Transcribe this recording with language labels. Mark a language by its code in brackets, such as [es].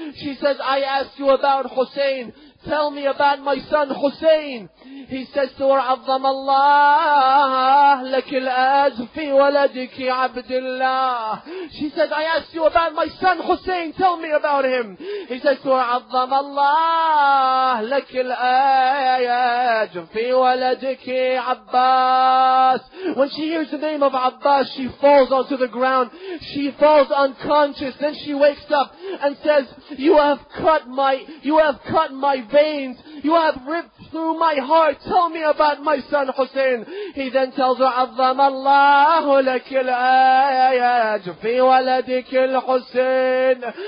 [en] She says, I asked you about Hussein. Tell me about my son Hussein. He says to her, [ar] عظم الله لك الأجر في ولدك عبد الله. [en] She says, I asked you about my son Hussein. Tell me about him. He says to her, [ar] عظم الله لك الأجر في ولدك عباس. [en] When she hears the name of Abbas, she falls onto the ground. She falls unconscious. Then she wakes up and says, You have cut my veins. You have ripped through my heart. Tell me about my son Hussein. He then tells her, [ar] عظم الله لك الأجر في ولدك الحسين.